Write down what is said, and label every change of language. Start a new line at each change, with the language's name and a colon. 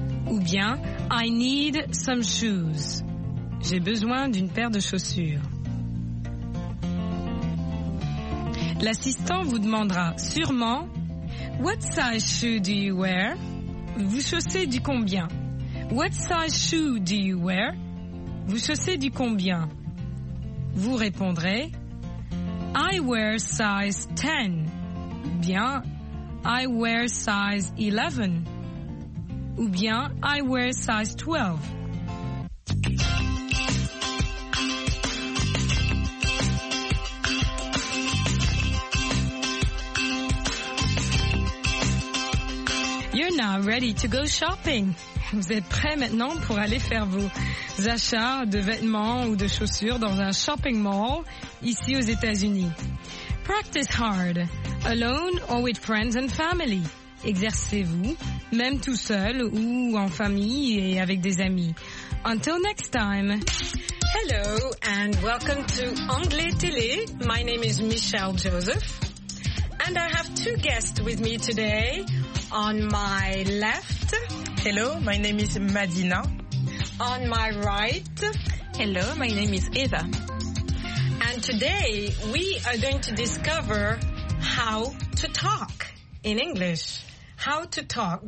French: Ou bien,
English: I need some shoes.
French: J'ai besoin d'une paire de chaussures. L'assistant vous demandera sûrement
English: What size shoe do you wear?
French: Vous chaussez du combien?
English: What size shoe do you wear?
French: Vous chaussez du combien? Vous répondrez
English: I wear size 10.
French: Ou bien
English: I wear size 11.
French: Ou bien
English: I wear size 12. You're now ready to go shopping.
French: Vous êtes prêts maintenant pour aller faire vos achats de vêtements ou de chaussures dans un shopping mall ici aux États-Unis.
English: Practice hard, alone or with friends and family.
French: Exercez-vous, même tout seul ou en famille et avec des amis.
English: Until next time. Hello and welcome to Anglais Télé. My name is Michelle Joseph. And I have two guests with me today. On my left. Hello, my name is Madina. On my right. Hello, my name is Eva. And today we are going to discover how to talk in English. How to talk.